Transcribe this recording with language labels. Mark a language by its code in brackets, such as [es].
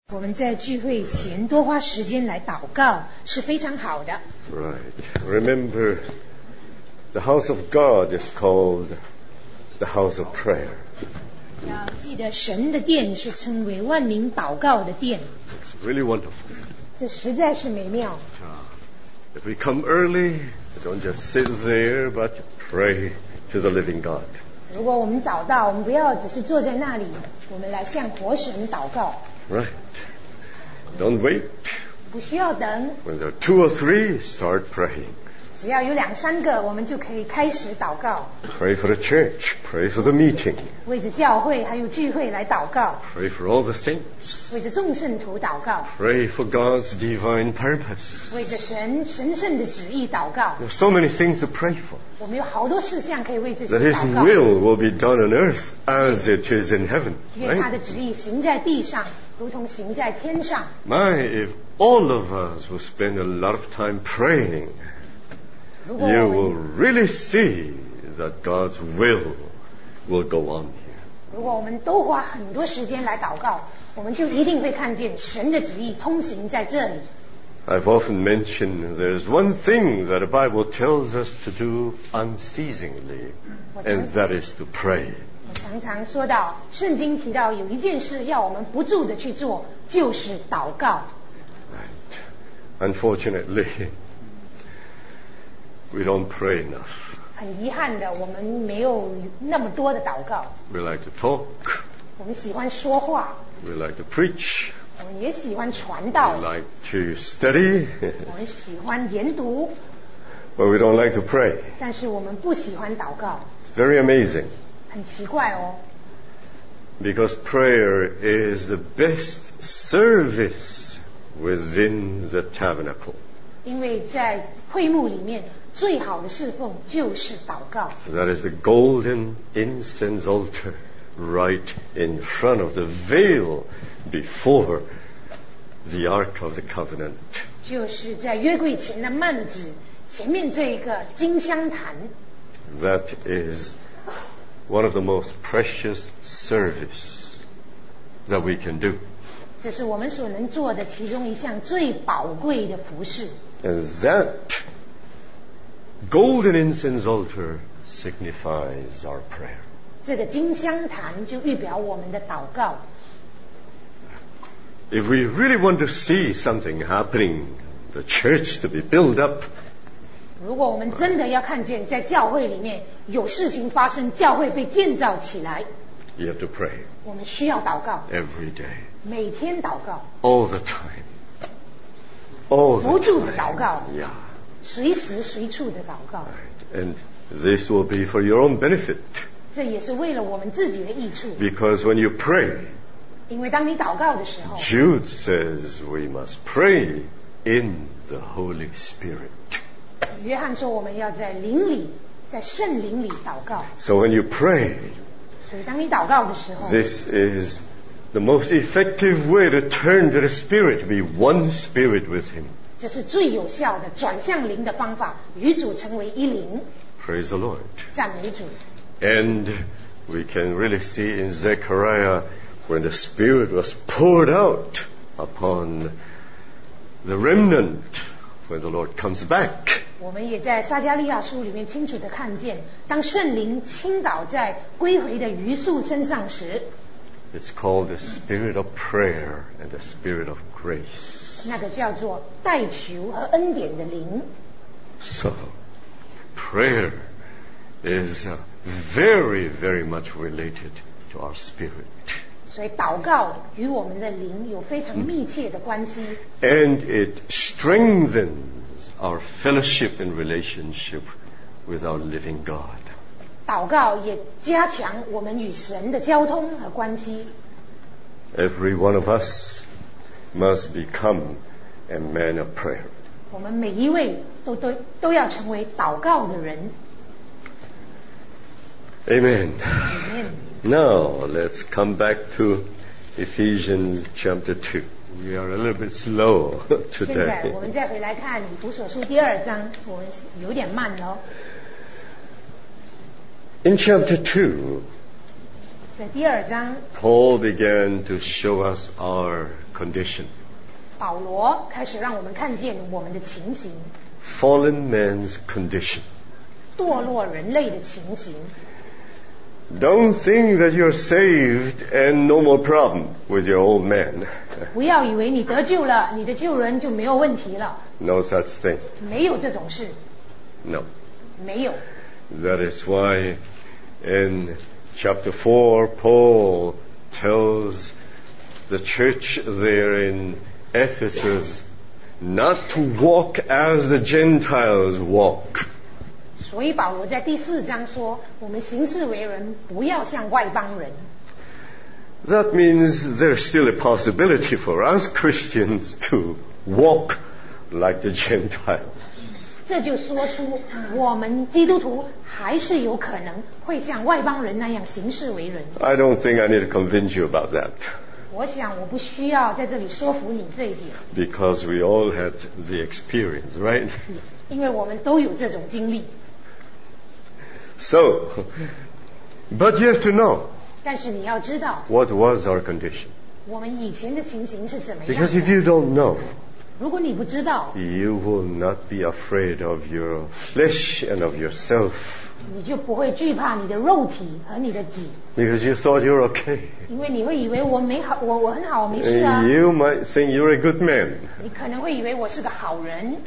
[zh] 我们在聚会前多花时间来祷告是非常好的。 [en] Right. Remember, the house of God is called the house of prayer. [zh] 要记得神的殿是称为万民祷告的殿。 [en] It's really wonderful. [zh] 这实在是美妙。 [en] If we come early, we don't just sit there, but pray to the living God. [zh] 如果我们早到，我们不要只是坐在那里，我们来向活神祷告。 [en] Right. Don't wait. [zh] 不需要等。 [en] When there are two or three, start praying. [zh] 只要有两三个，我们就可以开始祷告。 [en] Pray for the church. Pray for the meeting. [zh] 为着教会还有聚会来祷告。 [en] Pray for all the saints. [zh] 为着众圣徒祷告。 [en] Pray for God's divine purpose. [zh] 为着神圣的旨意祷告。 [en] There are so many things to pray for. [zh] 我们有好多事项可以为这些祷告。 [en] That His will be done on earth as it is in heaven. [zh] 愿他的旨意行在地上。如同行在天上。 [en] My, if all of us will spend a lot of time praying, you will really see that God's will go on here. [zh] 如果我们都花很多时间来祷告，我们就一定会看见神的旨意通行在这里。 [en] I've often mentioned there's one thing that the Bible tells us to do unceasingly, and that is to pray. [zh] 常常说到，圣经提到有一件事要我们不住的去做，就是祷告。 [en] Right. Unfortunately, we don't pray enough. [zh] 很遗憾的，我们没有那么多的祷告。 [en] We like to talk. [zh] 我们喜欢说话。 [en] We like to preach. [zh] 我们也喜欢传道。 [en] We like to study. [zh] 我们喜欢研读。 [en] But we don't like to pray. [zh] 但是我们不喜欢祷告。 [en] It's very amazing. [zh] 很奇怪哦。 [en] Because prayer is the best service within the tabernacle. [zh] 因为在会幕里面最好的侍奉就是祷告。 [en] That is the golden incense altar right in front of the veil before the Ark of the Covenant. [zh] 就是在约柜前的幔子前面这一个金香坛。 [en] That is one of the most precious service that we can do. [zh] 这是我们所能做的其中一项最宝贵的服事。 [en] And that golden incense altar signifies our prayer. [zh] 这个金香坛就预表我们的祷告。 [en] If we really want to see something happening, the church to be built up, [zh] 如果我们真的要看见在教会里面有事情发生，教会被建造起来， [en] you have to pray. [zh] 我们需要祷告。 [en] Every day. [zh] 每天祷告。 [en] All the time. All the time. [zh] 不住的祷告。 [en] Yeah. [zh] 随时随处的祷告。 [en] Right. And this will be for your own benefit. [zh] 这也是为了我们自己的益处。 [en] Because when you pray, [zh] 因为当你祷告的时候， [en] Jude says we must pray in the Holy Spirit. [zh] 约翰说我们要在灵里，在圣灵里祷告。 [en] So when you pray, [zh] 所以当你祷告的时候， [en] This is the most effective way to turn to the Spirit, to be one Spirit with Him. [zh] 这是最有效的转向灵的方法，与主成为一灵。 [en] Praise the Lord. [zh] 赞美主。 [en] And we can really see in Zechariah when the Spirit was poured out upon the remnant when the Lord comes back. [zh] 我们也在撒迦利亚书里面清楚地看见，当圣灵倾倒在归回的余数身上时， [en] It's called the spirit of prayer and the spirit of grace. [zh] 那个叫做代求和恩典的灵。 [en] So prayer is very, very much related to our spirit. [zh] 所以祷告与我们的灵有非常密切的关系。 [en] And it strengthens our fellowship and relationship with our living God. [zh] 祷告也加强我们与神的交通和关系。 [en] Every one of us must become a man of prayer. [zh] 我们每一位都要成为祷告的人。 [en] Amen. Amen. Now, let's come back to Ephesians chapter 2. We are a little bit slow today. [zh] 现在我们再回来看以弗所书第二章，我们有点慢了。 [en] In chapter 2, [zh] 在第二章 [en] Paul began to show us our condition. [zh] 保罗开始让我们看见我们的情形 [en] Fallen man's condition. [zh] 堕落人类的情形 [en] Don't think that you're saved and no more problem with your old man. [zh] 不要以为你得救了，你的旧人就没有问题了。 [en] No such thing. [zh] 没有这种事。 [en] No. [zh] 没有。 [en] That is why in chapter 4, Paul tells the church there in Ephesus not to walk as the Gentiles walk. [zh] 所以保罗在第四章说，我们行事为人不要像外邦人。 [en] That means there's still a possibility for us Christians to walk like the Gentiles. [zh] 这就说出我们基督徒还是有可能会像外邦人那样行事为人。 [en] I don't think I need to convince you about that. [zh] 我想我不需要在这里说服你这一点。 [en] Because we all had the experience, right? [zh] 因为我们都有这种经历。 [en] So, but you have to know. [zh] 但是你要知道。 [en] What was our condition? [zh] 我们以前的情形是怎么样的。 [en] Because if you don't know. [zh] 如果你不知道 [en] You will not be afraid of your flesh and of yourself. [zh] 你就不会惧怕你的肉体和你的己 [en] Because you thought you're okay. [zh] 因为你会以为我没好，我很好，没事啊。 [en] You might think you're a good man. [zh] 你可能会以为我是个好人。